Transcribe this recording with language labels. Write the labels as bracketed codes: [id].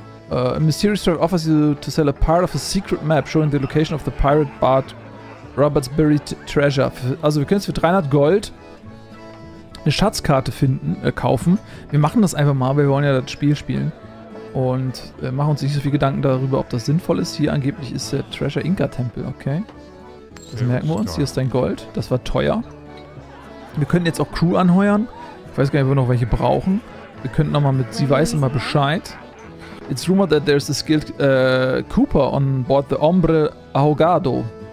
[en] A mysterious threat offers you to sell a part of a secret map showing the location of the pirate Bart Robert's buried treasure. [de] Also wir können jetzt für 300 Gold eine Schatzkarte finden, kaufen. Wir machen das einfach mal, weil wir wollen ja das Spiel spielen. Und machen uns nicht so viel Gedanken darüber, ob das sinnvoll ist. Hier angeblich ist der Treasure Inca Tempel, okay. Das merken wir uns. Hier ist dein Gold. Das war teuer. Wir können jetzt auch Crew anheuern. Ich weiß gar nicht, ob wir noch welche brauchen. Wir könnten nochmal mit Sie Weiß immer Bescheid. [en] It's rumored that there's a skilled Cooper on board the Hombre Ahogado.